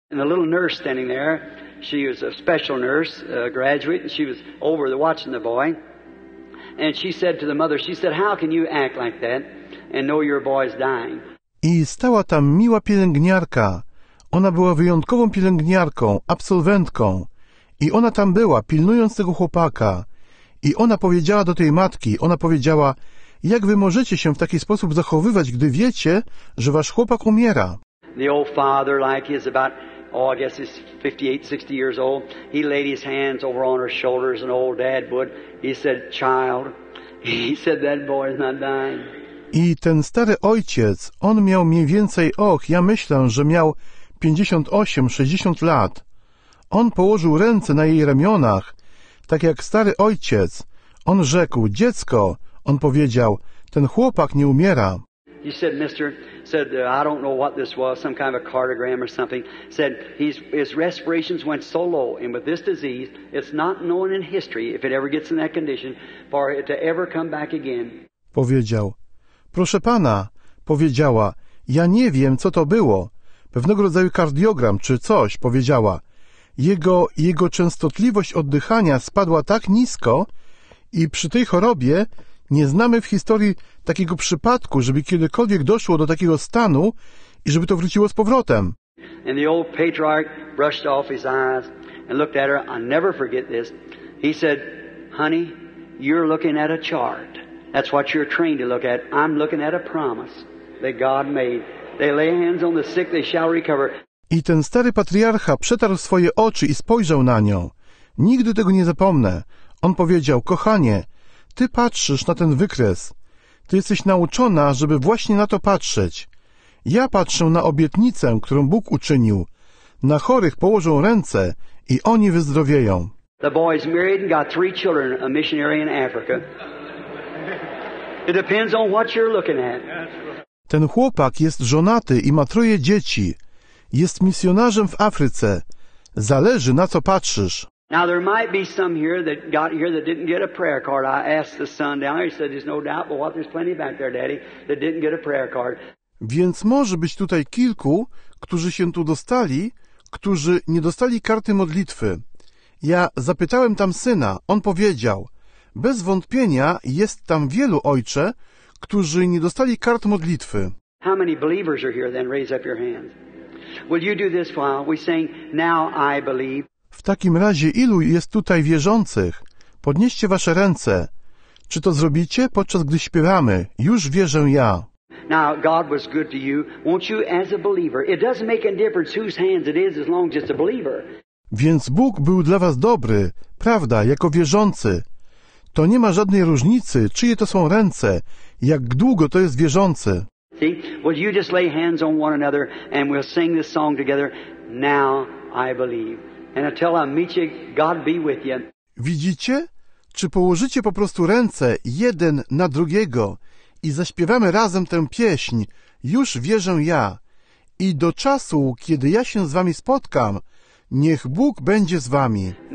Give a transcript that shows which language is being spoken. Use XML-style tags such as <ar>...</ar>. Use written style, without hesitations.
<en>And the little nurse standing there, She was a special nurse, a graduate, and she was over there watching the boy. And she said to the mother, she said, how can you act like that and know your boy is dying?</en> <pl>I stała tam miła pielęgniarka. Ona była wyjątkową pielęgniarką, absolwentką. I ona tam była, pilnując tego chłopaka. I ona powiedziała do tej matki, ona powiedziała, jak wy możecie się w taki sposób zachowywać, gdy wiecie, że wasz chłopak umiera?</pl> <en>The old father, like he's about, oh, I guess he's 58, 60 years old. He laid his hands over on her shoulders, an old dad would. He said, child, he said, that boy is not dying.</en> <pl>I ten stary ojciec, on miał mniej więcej, och, ja myślę, że miał 58, 60 lat. On położył ręce na jej ramionach, tak jak stary ojciec. On rzekł, dziecko, on powiedział, ten chłopak nie umiera.</pl> <en>He said, mister, said, I don't know what this was, some kind of a cardiogram or something. Said, his respirations went so low, and with this disease, it's not known in history, if it ever gets in that condition, for it to ever come back again.</en> <pl>Powiedział, proszę pana, powiedziała, ja nie wiem, co to było. Pewnego rodzaju kardiogram czy coś, powiedziała. Jego częstotliwość oddychania spadła tak nisko i przy tej chorobie nie znamy w historii takiego przypadku, żeby kiedykolwiek doszło do takiego stanu i żeby to wróciło z powrotem.</pl> <en>And the old patriarch brushed off his eyes and looked at her. I'll never forget this. He said, honey, you're looking at a chart. That's what you're trained to look at. I'm looking at a promise that God made. They lay hands on the sick, they shall recover.</en> <pl>I ten stary patriarcha przetarł swoje oczy i spojrzał na nią. Nigdy tego nie zapomnę. On powiedział, kochanie, ty patrzysz na ten wykres. Ty jesteś nauczona, żeby właśnie na to patrzeć. Ja patrzę na obietnicę, którą Bóg uczynił. Na chorych położą ręce i oni wyzdrowieją.</pl> <en>The boy is married and got three children, a missionary in Africa. It depends on what you're looking at.</en> <pl>Ten chłopak jest żonaty i ma troje dzieci. Jest misjonarzem w Afryce. Zależy, na co patrzysz.</pl> <en>Now there might be some here that got here that didn't get a prayer card. I asked the son down there. He said, there's no doubt, but what, there's plenty back there, daddy, that didn't get a prayer card.</en> <pl>Więc może być tutaj kilku, którzy się tu dostali, którzy nie dostali karty modlitwy. Ja zapytałem tam syna. On powiedział, bez wątpienia jest tam wielu, ojcze, którzy nie dostali kart modlitwy.</pl> <en>How many believers are here then? Raise up your hands. Will you do this while we sing, now I believe?</en> <pl>W takim razie ilu jest tutaj wierzących? Podnieście wasze ręce. Czy to zrobicie podczas gdy śpiewamy? Już wierzę ja.</pl> <en>Now God was good to you. Won't you as a believer? It doesn't make a difference whose hands it is as long as it's a believer.</en> <pl>Więc Bóg był dla was dobry, prawda, jako wierzący. To nie ma żadnej różnicy, czyje to są ręce, jak długo to jest wierzący.</pl> <en>See, will you just lay hands on one another and we'll sing this song together, now I believe. And until I meet you, God be with you.</en> <pl>Widzicie? Czy położycie po prostu ręce jeden na drugiego i zaśpiewamy razem tę pieśń, już wierzę ja. I do czasu, kiedy ja się z wami spotkam, niech Bóg będzie z wami.</pl>